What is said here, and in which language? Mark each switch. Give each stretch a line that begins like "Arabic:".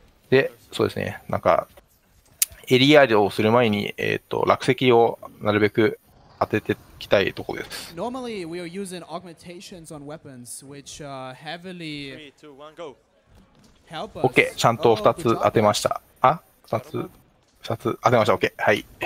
Japanese: で、そうですね、なんか、エリア移動をする前に、落石をなるべく当てていきたいところです。
English: Normally, we are using augmentations on weapons, which heavily help us. OK、
Japanese: ちゃんと2つ当てました。あ、2つ当てました、OK、はい。